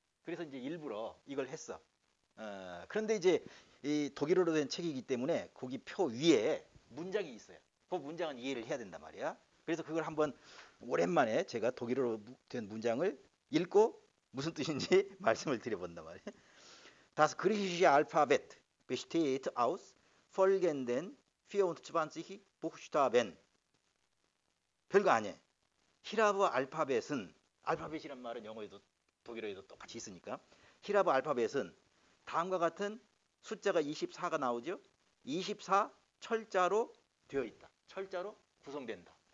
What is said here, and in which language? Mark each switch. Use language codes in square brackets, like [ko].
[ko] 그래서 이제 일부러 이걸 했어. 그런데 이제 이 독일어로 된 책이기 때문에 거기 표 위에 문장이 있어요. 그 문장은 이해를 해야 된단 말이야. 그래서 그걸 한번 오랜만에 제가 독일어로 된 문장을 읽고 무슨 뜻인지 말씀을 드려본단 말이야. [de] Das griechische Alphabet besteht aus folgenden 24 Buchstaben. [ko] 별거 아니에요. 히라보 알파벳은, 알파벳이란 말은 영어에도 독일어에도 똑같이 있으니까. 히라보 알파벳은 다음과 같은 숫자가 24가 나오죠? 24 철자로 되어 있다. 철자로 구성된다.